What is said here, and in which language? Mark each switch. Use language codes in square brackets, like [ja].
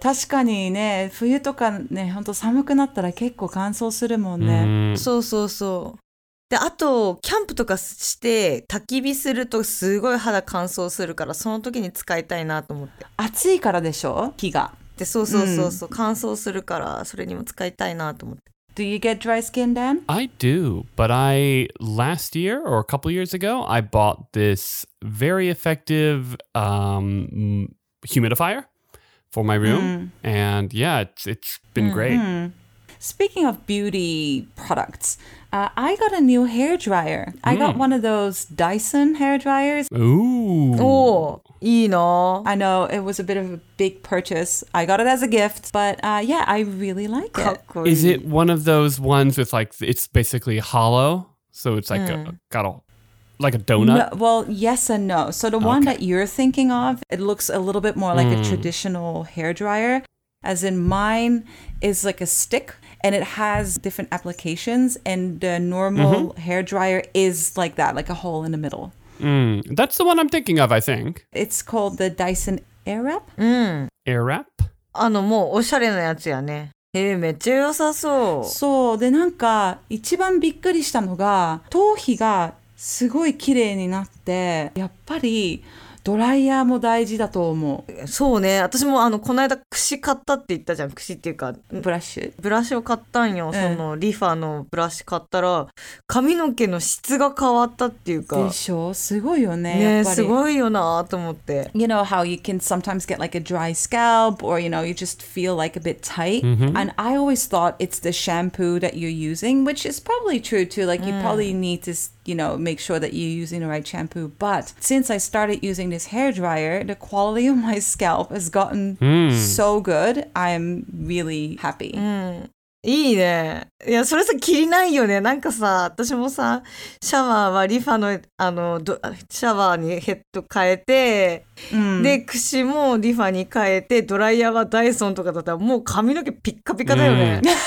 [ja] 確かにね、冬とかね、本当寒くなったら結構乾燥するもんね。そう。で、あと、キャンプとかして、焚き火するとすごい肌乾燥するから、その時に使いたいなと思って。暑いからでしょ？火が。で、そう、乾燥するから、それにも使いたいなと思って。 [en] Do you get dry skin, Dan? I do, but I, last year or a couple years ago, I bought this very effective, humidifier for my room. And yeah, it's been great. Speaking of beauty products, I got a new hair dryer. I got one of those Dyson hair dryers. Ooh. Oh. [ja] いいの? [en] I know, it was a bit of a big purchase. I got it as a gift, but、yeah, I really like it. [ja] かっこいい。 [en] Is it one of those ones with like, it's basically hollow? So it's like、got a, like a donut? No, well, yes and no. So the、okay. one that you're thinking of, it looks a little bit more like、a traditional hairdryer. As in mine is like a stick. And it has different applications, and the normal、hair dryer is like that, like a hole in the middle.、 That's the one I'm thinking of, I think. It's called the Dyson Airwrap.、 Airwrap? [ja] あの、もうおしゃれなやつやね。へえ、めっちゃ良さそう。そう、で、なんか一番びっくりしたのが、頭皮がすごい綺麗になって、やっぱりドライヤーも大事だと思う。そうね。私もあのこの間櫛買ったって言ったじゃん。櫛っていうかブラッシュ。ブラッシュを買ったんよ。そのリファのブラッシュ買ったら髪の毛の質が変わったっていうか。でしょ。すごいよね。ねやっぱりすごいよなと思って。 [en] You know how you can sometimes get like a dry scalp or you know you just feel like a bit tight.、Mm-hmm. And I always thought it's the shampoo that you're using, which is probably true too. Like you probably need to, you know, make sure that you're using the right shampoo. But since I started usingthis hair dryer, the quality of my scalp has gotten、so good. I'm really happy.、 [ja] いいね。いや、それさ、切りないよね。なんかさ、私もさ、シャワーはリファの、あの、シャワーにヘッド変えて、で、櫛もリファに変えて、ドライヤーはダイソンとかだったら、もう髪の毛ピッカピカだよね。